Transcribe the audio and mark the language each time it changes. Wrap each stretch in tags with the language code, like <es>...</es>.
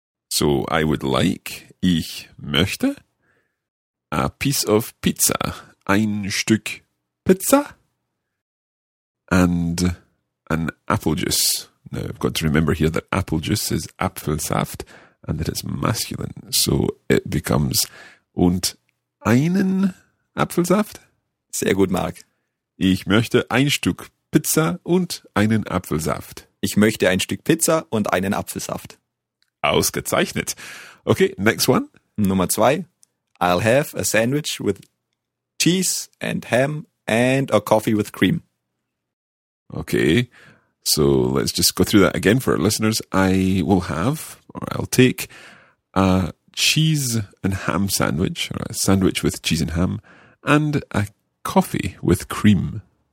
<en>So, I would like,</en> <de>ich möchte,</de> <en>a piece of pizza,</en> <de>ein Stück Pizza,</de> <en>and an apple juice. Now, I've got to remember here that apple juice is Apfelsaft, and that it's masculine. So, it becomes,</en> <de>und einen Apfelsaft? Sehr gut, Mark. Ich möchte ein Stück Pizza und einen Apfelsaft. Ich möchte ein Stück Pizza und einen Apfelsaft. Ausgezeichnet.</de> <en>Okay, next one.</en> <de>Nummer zwei.</de> <en>I'll have a sandwich with cheese and ham and a coffee with cream. Okay, so let's just go through that again for our listeners. I will have, or I'll take, a cheese and ham sandwich, or a sandwich with cheese and ham, and a coffee with cream.</en>